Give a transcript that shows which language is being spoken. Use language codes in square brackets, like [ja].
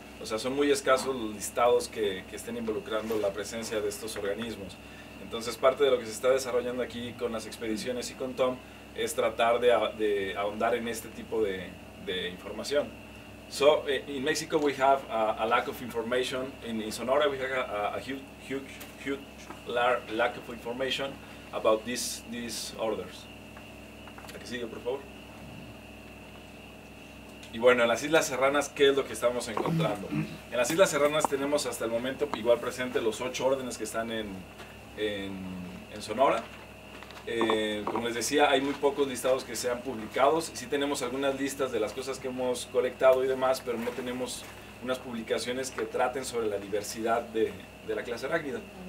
[es] O sea, son muy escasos los listados que estén involucrando la presencia de estos organismos. Entonces, parte de lo que se está desarrollando aquí con las expediciones y con Tom es tratar de ahondar en este tipo de información. [en] So, in Mexico we have a lack of information. In Sonora we have a huge lack of information about these orders. [es] Aquí sigue, por favor. Y bueno, en las Islas Serranas, ¿qué es lo que estamos encontrando? En las Islas Serranas tenemos hasta el momento igual presente los 8 órdenes que están en Sonora. Como les decía, hay muy pocos listados que sean publicados. Sí tenemos algunas listas de las cosas que hemos colectado y demás, pero no tenemos unas publicaciones que traten sobre la diversidad de la clase arácnida.